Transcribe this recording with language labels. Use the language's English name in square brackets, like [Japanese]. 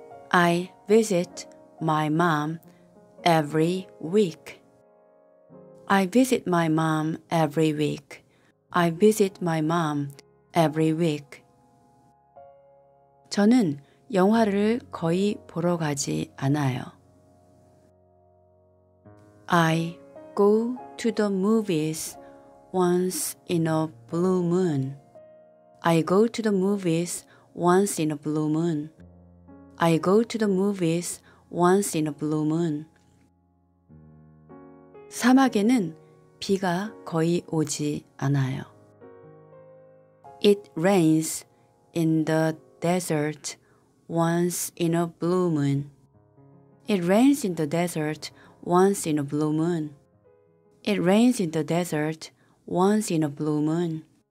[English] I visit my mom every week. I visit my mom every week. I visit my mom every week. [Korean] 저는 영화를 거의 보러 가지 않아요. [English] I go to the movies once in a blue moon. I go to the movies once in a blue moon. I go to the movies once in a blue moon. [Korean] 사막에는 비가 거의 오지 않아요. [English] It rains in the desert once in a blue moon. It rains in the desert once in a blue moon. It rains in the desert once in a blue moon.